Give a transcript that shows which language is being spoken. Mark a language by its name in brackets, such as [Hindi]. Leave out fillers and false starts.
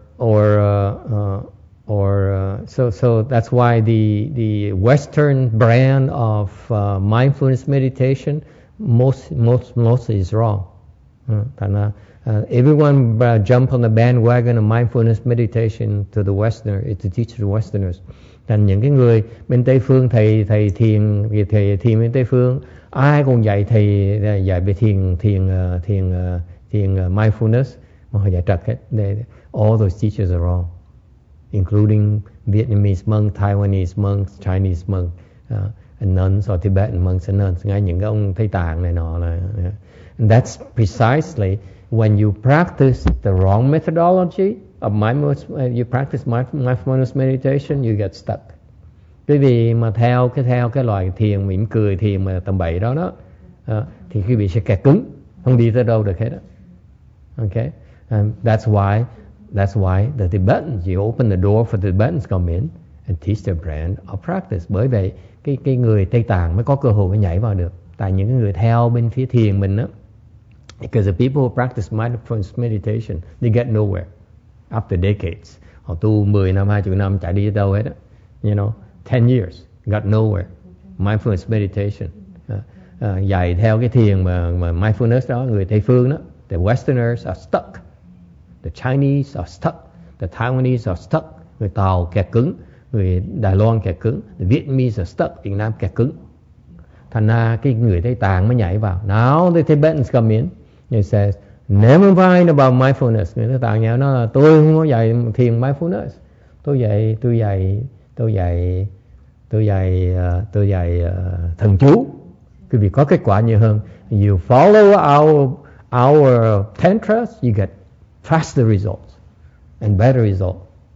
[English] So that's why the Western brand of mindfulness meditation most is wrong. Everyone jump on the bandwagon of mindfulness meditation to the Westerner, to teach the Westerners. [Vietnamese] Thành những cái người bên Tây Phương, thầy thiền bên Tây Phương, ai cũng dạy thầy dạy về thiền mindfulness, mà họ dạy trật hết. [English] All those teachers are wrong, including Vietnamese monk, Taiwanese monk, Chinese monk, and nuns, or Tibetan monks and nuns. [Vietnamese] Ngay những cái ông Thầy Tạng này nọ là, [English] that's precisely when you practice the wrong methodology of mindfulness, you practice mindfulness meditation, you get stuck. [Vietnamese] Quý vị mà theo cái loại thiền mỉm cười, thiền mà tầm bậy đó, thì quý vị sẽ kẹt cứng, không đi tới đâu được hết đó. [English] Okay, that's why the Tibetans, you open the door for the Tibetans come in and teach their brand of practice. [Vietnamese] Bởi vậy, cái người Tây Tạng mới có cơ hội mới nhảy vào được. Tại những người theo bên phía thiền mình đó, [English] because the people who practice mindfulness meditation, they get nowhere after decades. [Vietnamese] Họ tu 10 năm, 20 năm, chả đi đâu hết. [English] You know, 10 years, got nowhere. [Vietnamese] Mindfulness meditation. Dạy theo cái thiền mà mindfulness đó, người Tây Phương đó, [English] the Westerners are stuck. The Chinese are stuck. The Taiwanese are stuck. [Vietnamese] Người Tàu kẹt cứng. Người Đài Loan kẹt cứng. [English] The Vietnamese are stuck. [Vietnamese] Việt Nam kẹt cứng. Thành ra cái người Tây Tạng mới nhảy vào. [English] Now the Tibetans come in. He says, never mind about mindfulness. [Vietnamese] Người Tây Tạng nhảy nó là tôi không có dạy thiền mindfulness. Tôi dạy thần chú. Quý vị có kết quả nhiều hơn. [English] You follow our tantras, you get faster results and better results.